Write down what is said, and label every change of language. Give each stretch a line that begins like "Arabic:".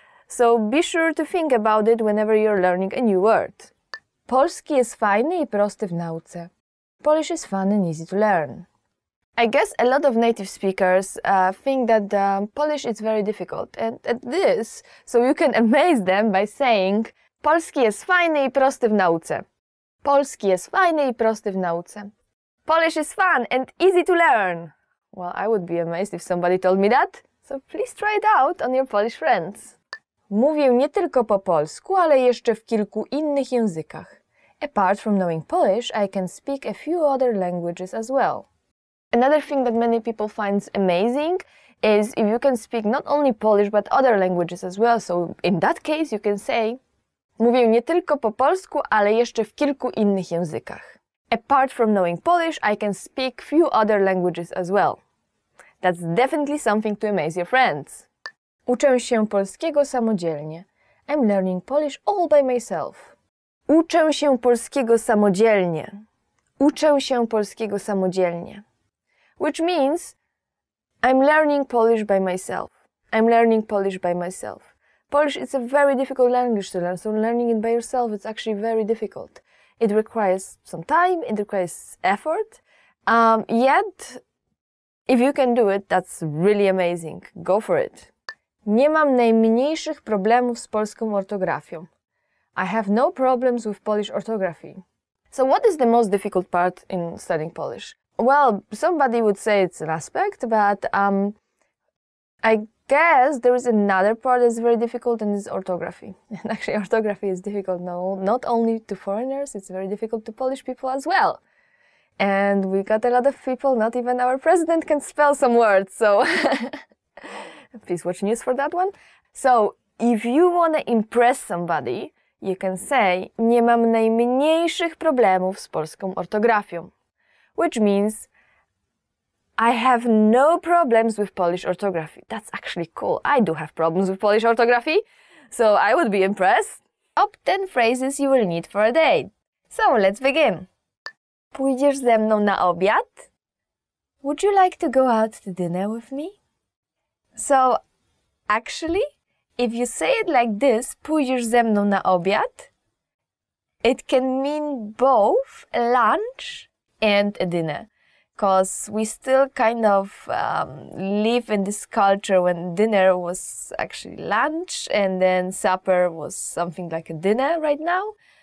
English: So be sure to think about it whenever you're learning a new word.
Polish: Polski jest fajny i prosty w nauce.
English: Polish is fun and easy to learn. I guess a lot of native speakers think that Polish is very difficult and at this, so you can amaze them by saying
Polish: Polski jest fajny i prosty w nauce. Polski jest fajny i prosty w nauce.
English: Polish is fun and easy to learn. Well, I would be amazed if somebody told me that. So please try it out on your Polish friends.
Polish: Mówię nie tylko po polsku, ale jeszcze w kilku innych językach.
English: Apart from knowing Polish, I can speak a few other languages as well. Another thing that many people find amazing is if you can speak not only Polish, but other languages as well. So in that case, you can say,
Polish: mówię nie tylko po polsku, ale jeszcze w kilku innych językach.
English: Apart from knowing Polish, I can speak few other languages as well. That's definitely something to amaze your friends.
Polish: Uczę się polskiego samodzielnie.
English: I'm learning Polish all by myself.
Polish: Uczę się polskiego samodzielnie. Uczę się polskiego samodzielnie.
English: Which means, I'm learning Polish by myself. I'm learning Polish by myself. Polish is a very difficult language to learn, so learning it by yourself is actually very difficult. It requires some time, it requires effort. Yet, if you can do it, that's really amazing. Go for it.
Polish: Nie mam najmniejszych problemów z polską ortografią.
English: I have no problems with Polish orthography. So what is the most difficult part in studying Polish? Well, somebody would say it's an aspect, but I guess there is another part that's very difficult, and it's orthography. And actually, orthography is difficult not only to foreigners, it's very difficult to Polish people as well. And we got a lot of people, not even our president can spell some words, so please watch news for that one. So, if you want to impress somebody, you can say,
Polish: nie mam najmniejszych problemów z polską ortografią.
English: Which means, I have no problems with Polish orthography. That's actually cool. I do have problems with Polish orthography, so I would be impressed. Top 10 phrases you will need for a date. So let's begin.
Polish: Pójdziesz ze mną na obiad?
English: Would you like to go out to dinner with me? So, actually, if you say it like this,
Polish: pójdziesz ze mną na obiad,
English: it can mean both lunch and a dinner, because we still kind of live in this culture when dinner was actually lunch and then supper was something like a dinner right now.